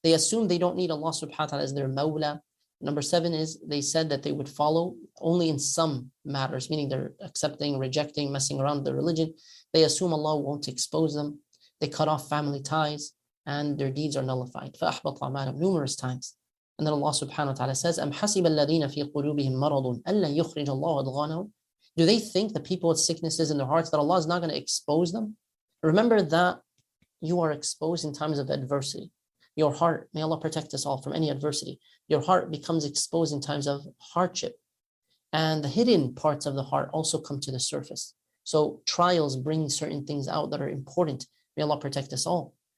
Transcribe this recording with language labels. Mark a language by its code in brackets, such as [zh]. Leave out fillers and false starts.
[en] They assume they don't need Allah subhanahu wa ta'ala as their mawla. Number seven is they said that they would follow only in some matters, meaning they're accepting, rejecting, messing around with the religion. They assume Allah won't expose them. They cut off family ties and their deeds are nullified. [ar] فَأَحْبَطَ عَمَالَهُمْ [en] numerous times. And then Allah subhanahu wa ta'ala says, [ar] أَمْ حَسِبَ الَّذِينَ فِي قُلُوبِهِمْ مَرَضٌ أَلَّا يُخْرِجَ اللَّهُ أَضْغَانَهُمْ. [en] Do they think, the people with sicknesses in their hearts, that Allah is not going to expose them? Remember that you are exposed in times of adversity. Your heart, may Allah protect us all from any adversity. Your heart becomes exposed in times of hardship. And the hidden parts of the heart also come to the surface. So trials bring certain things out that are important. May Allah protect us all.